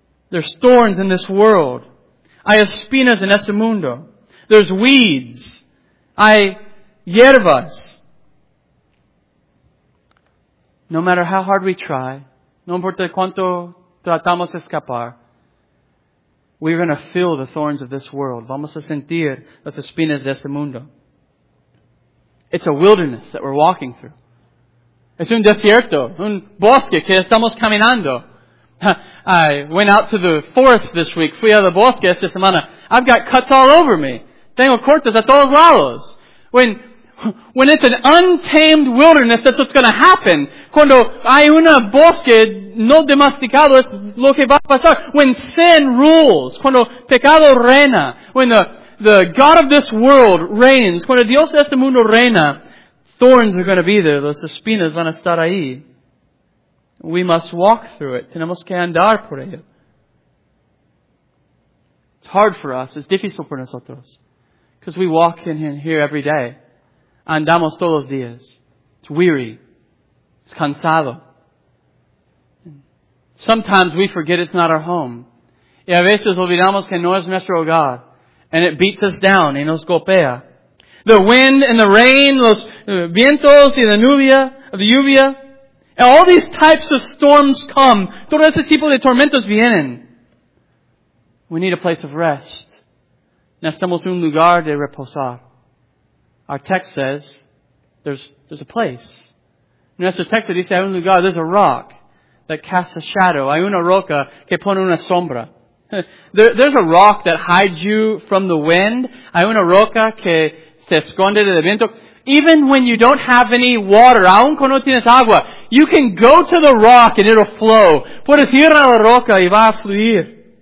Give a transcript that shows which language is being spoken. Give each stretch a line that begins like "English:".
English: There's thorns in this world.
Spanish: Hay espinas en este mundo.
English: There's weeds.
Spanish: Hay hierbas.
English: No matter how hard we try,
Spanish: no importa cuánto tratamos de escapar,
English: we're going to feel the thorns of this world.
Spanish: Vamos a sentir las espinas de este mundo.
English: It's a wilderness that we're walking through.
Spanish: Es un desierto, un bosque que estamos caminando.
English: I went out to the forest this week.
Spanish: Fui a la bosque esta semana.
English: I've got cuts all over me.
Spanish: Tengo cortes a todos lados.
English: When it's an untamed wilderness, that's what's going to happen.
Spanish: Cuando hay una bosque no domesticado, es lo que va a pasar.
English: When sin rules,
Spanish: cuando pecado reina,
English: when the God of this world reigns,
Spanish: cuando Dios de este mundo reina,
English: thorns are going to be there.
Spanish: Los espinas van a estar ahí.
English: We must walk through it.
Spanish: Tenemos que andar por ello.
English: It's hard for us. It's difícil for nosotros. Because we walk in here every day.
Spanish: Andamos todos los días.
English: It's weary. It's cansado. Sometimes we forget it's not our home.
Spanish: Y a veces olvidamos que no es nuestro hogar.
English: And it beats us down
Spanish: y nos golpea.
English: The wind and the rain,
Spanish: los vientos y la lluvia.
English: And all these types of storms come.
Spanish: Todo ese tipo de tormentos vienen.
English: We need a place of rest.
Spanish: Necesitamos un lugar de reposar.
English: Our text says, there's a place.
Spanish: Nuestro texto dice, hay un lugar,
English: there's a rock that casts a shadow.
Spanish: Hay una roca que pone una sombra.
English: There's a rock that hides you from the wind.
Spanish: Hay una roca que se esconde del viento.
English: Even when you don't have any water,
Spanish: aun cuando tienes agua,
English: you can go to the rock and it'll flow.
Spanish: Puedes ir a la roca y va a fluir.